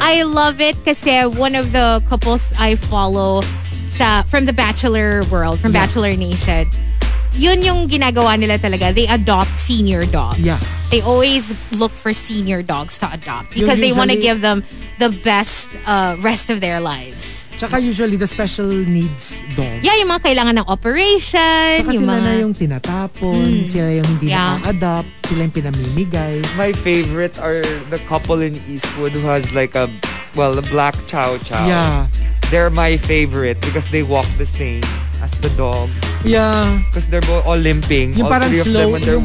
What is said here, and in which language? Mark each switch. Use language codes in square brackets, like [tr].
[en] I love it because one of the couples I follow from the Bachelor world, from Bachelor Nation, [tl] yun yung ginagawa nila talaga. [en] They adopt senior dogs. Yeah. They always look for senior dogs to adopt because they want to give them the best rest of their lives. Tsaka usually the special needs dogs. [tl] Yeah, yung mga kailangan ng operation. Tsaka sila na yung tinatapon. Mm. Sila yung hindi na-adopt. Sila yung pinamimigay. [en] My favorite are the couple in Eastwood who has like a black chow chow. Yeah. They're my favorite because they walk the same as the dog. Yeah. Because they're all limping. [tl] Yung [en] all three slow, of them.